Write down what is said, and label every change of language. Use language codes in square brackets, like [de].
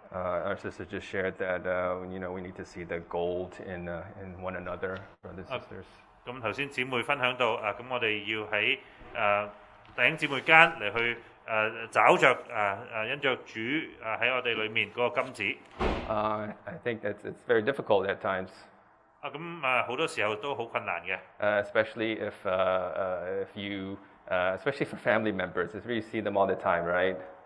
[en] Our sister just shared that you know, we need to see the gold in one another, brothers and sisters. [yue] 咁頭先姊妹分享到咁我哋要喺弟兄姊妹間嚟去找著因著主喺我哋裏面嗰個金子。 [en] I think that it's very difficult at times. [yue] 咁好多時候都好困難嘅。 [en] Especially if you especially for family members, it's where you see them all the time, right?